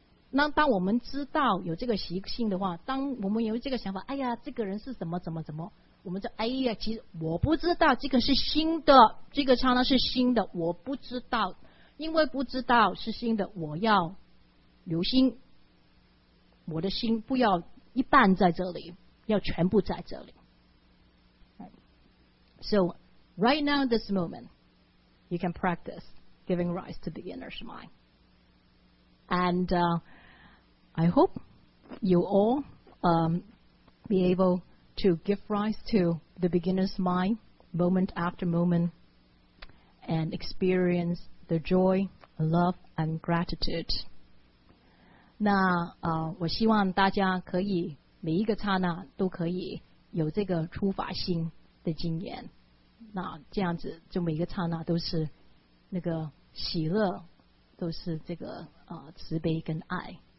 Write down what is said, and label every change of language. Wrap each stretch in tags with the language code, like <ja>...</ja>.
<zh>那当我们知道有这个习性的话，当我们有这个想法，哎呀，这个人是怎么怎么怎么，我们就哎呀，其实我不知道这个是新的，这个刹那是新的，我不知道，因为不知道是新的，我要留心，我的心不要一半在这里，要全部在这里。</zh> <en>So right now this moment, you can practice giving rise to the inner smile. And I hope you all be able to give rise to the beginner's mind moment after moment and experience the joy, love, and gratitude.</en> <zh>那我希望大家可以每一个刹那都可以有这个初发心的经验。那这样子就每一个刹那都是那个喜乐，都是这个慈悲跟爱。</zh>